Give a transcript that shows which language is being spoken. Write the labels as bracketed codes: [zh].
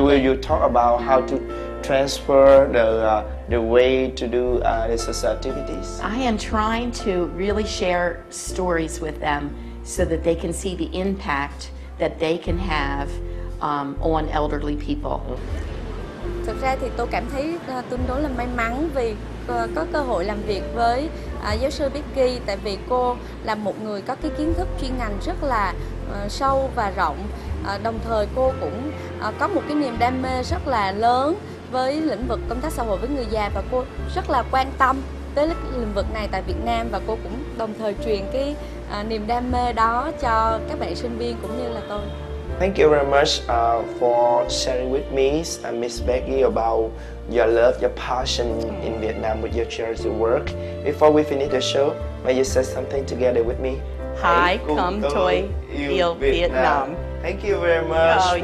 [en] Where will you talk about how to transfer the way to do the social activities? I am trying to really share stories with them so that they can see the impact that they can have on elderly people. Mm-hmm. [vi] Thực ra thì tôi cảm thấy tương đối là may mắn vì có cơ hội làm việc với giáo sư Peggy, tại vì cô là một người có cái kiến thức chuyên ngành rất là sâu và rộng. Đồng thời cô cũng có một cái niềm đam mê rất là lớn với lĩnh vực công tác xã hội với người già, và cô rất là quan tâm tới lĩnh vực này tại Việt Nam, và cô cũng đồng thời truyền cái niềm đam mê đó cho các bạn sinh viên cũng như là tôi. [en] Thank you very much for sharing with me, Miss Peggy, about your love, your passion in Vietnam with your charity work. Before we finish the show, may you say something together with me? Hi, come to Vietnam. Thank you very much for coming